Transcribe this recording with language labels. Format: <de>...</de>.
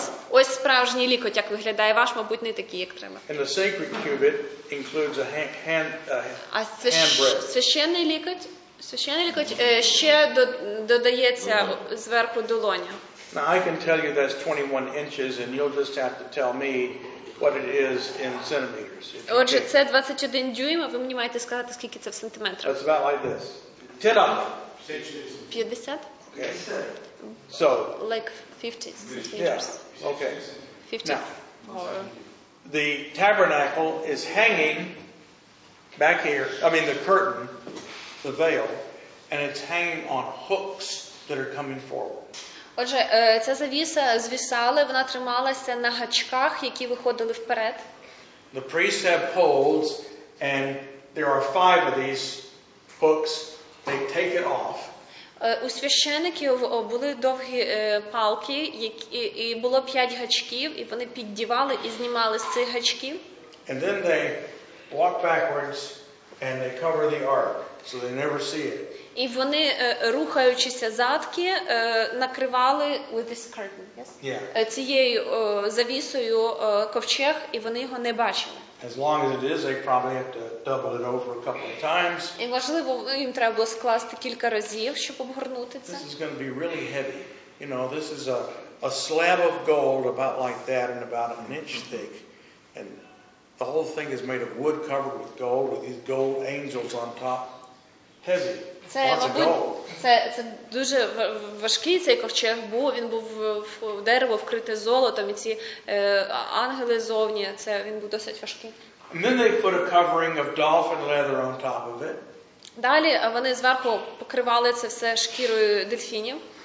<uk>ось справжній лікоть, як виглядає ваш, мабуть, не такий, як треба.</uk> <en>And the sacred cubit includes a hand bread.</en> <uk>Священний лікоть ще додається зверху долоня.</uk> <en>Now I can tell you that's 21 inches and you'll just have to tell me what it is in centimeters.</en> <uk>Отже, це 21 дюйм, а ви мені маєте сказати, скільки це в сантиметрах.</uk> <en>That's about like this. 10 up. 50? Okay. So, like 50 centimeters. Yes. Yeah. Okay. 50. Now, the tabernacle is hanging back here. I mean, the curtain, the veil, and it's hanging on hooks that are coming forward.</en> <uk>Отже, ця завіса звисала, вона трималася на гачках, які виходили вперед.</uk> <en>The priests have poles, and there are 5 of these hooks. They take it off.</en> <uk>У священників були довгі палки, і було 5 гачків, і вони піддівали і знімали з цих гачків.</uk> <en>And then they walk backwards and they cover the ark, so they never see it.</en> <uk>І вони, рухаючися задки, накривали</uk> <en>with this curtain, yes? Yeah.</en> <uk>Цією завісою ковчег, і вони його не бачили.</uk> <en>As long as it is, they probably have to double it over a couple of times.</en> <uk>І, можливо, їм треба було скласти кілька разів, щоб обгорнути це.</uk> <en>This is going to be really heavy. You know, this is a slab of gold about like that and about an inch thick. And the whole thing is made of wood covered with gold with these gold angels on top. Heavy.</en> <uk>Це, мабуть, це дуже важкий цей ковчег був. Він був в дерево вкрите золотом, і ці ангели зовні, це він був досить важкий.</uk> <en>And then they put a covering of dolphin leather on top of it.</en> <uk>Далі вони зверху покривали це все шкірою дельфінів.</uk>